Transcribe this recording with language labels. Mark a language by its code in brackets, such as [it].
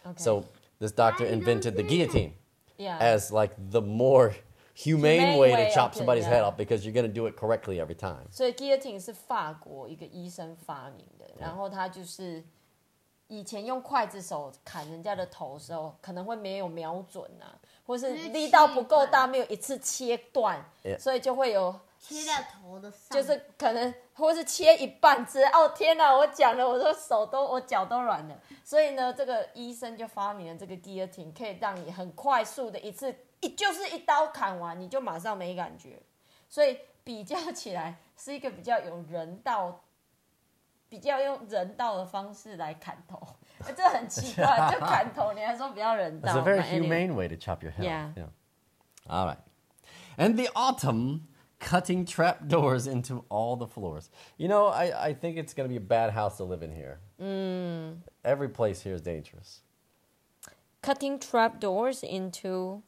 [en] So this doctor invented the guillotine as like the more humane way to chop somebody's head off, because you're going to do it correctly every time. So guillotine is [zh] 法国一个医生发明的, 然后他就是以前用筷子手砍人家的头的时候, 可能会没有瞄准啊, 或是力道不够大, 没有一次切断, 所以就会有 切到头的上，就是可能，或是切一半之，哦天哪，我讲了，我的手都，我脚都软了。所以呢，这个医生就发明了这个guillotine，可以让你很快速的一次，就是一刀砍完，你就马上没感觉。所以比较起来，是一个比较有人道，比较用人道的方式来砍头，这很奇怪，就砍头你还说比较人道。 [en] It's a very humane way to chop your head. All right, and the autumn. Cutting trap doors into all the floors. You know, I think it's going to be a bad house to live in here. Every place here is dangerous. Cutting trap doors into...